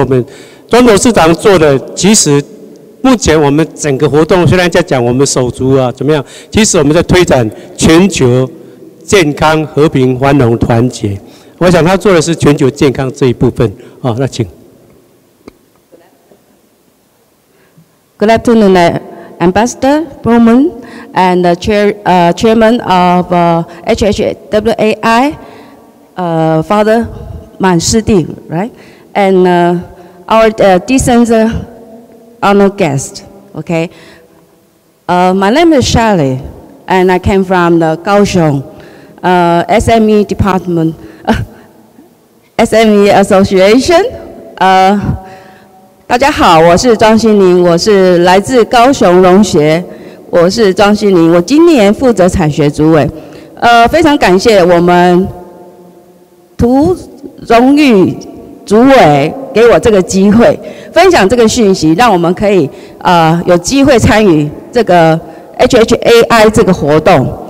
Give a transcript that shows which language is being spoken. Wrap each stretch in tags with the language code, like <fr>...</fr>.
<zh>我们庄董事长做的，其实目前我们整个活动虽然在讲我们手足啊怎么样，其实我们在推展全球健康、和平、繁荣、团结。我想他做的是全球健康这一部分啊。那请。</zh> <en>Good afternoon, Ambassador Bowman and the Chairman of HHWAI, Father Man Shidi, right? And our decent honored guest, okay? My name is Shelley, and I came from the Kaohsiung SME Department, SME Association.</en> <zh>大家好，我是庄心凌，我是来自高雄荣协，我是庄心凌，我今年负责产学主委。非常感谢我们图荣誉主委给我这个机会分享这个讯息，让我们可以有机会参与这个 HHAI 这个活动。</zh>